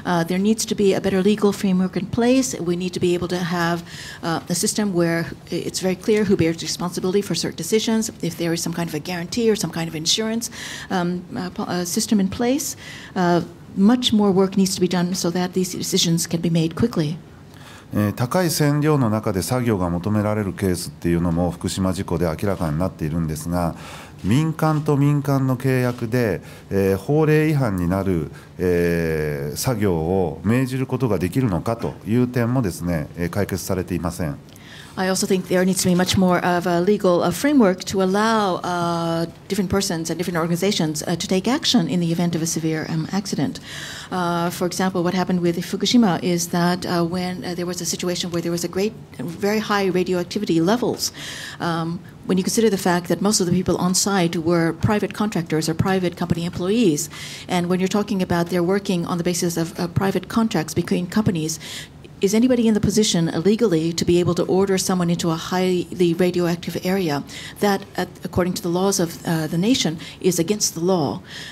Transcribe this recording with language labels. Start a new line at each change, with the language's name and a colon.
English: There needs to be a better legal framework in place. We need to be able to have a system where it's very clear who bears responsibility for certain decisions, if there is some kind of a guarantee or some kind of insurance system in place. Much more work needs to be done so that these decisions can be made quickly.
Japanese: 高い線量の中で作業が求められるケースっていうのも福島事故で明らかになっているんですが、民間と民間の契約で、法令違反になる、作業を命じることができるのかという点もですね、解決されていません。
English: I also think there needs to be much more of a legal framework to allow different persons and different organizations to take action in the event of a severe accident. For example, what happened with Fukushima is that when there was a situation where there was a great, very high radioactivity levels, when you consider the fact that most of the people on site were private contractors or private company employees, and when you're talking about they're working on the basis of private contracts between companies,Is anybody in the position legally to be able to order someone into a highly radioactive area that, according to the laws of the nation, is against the law?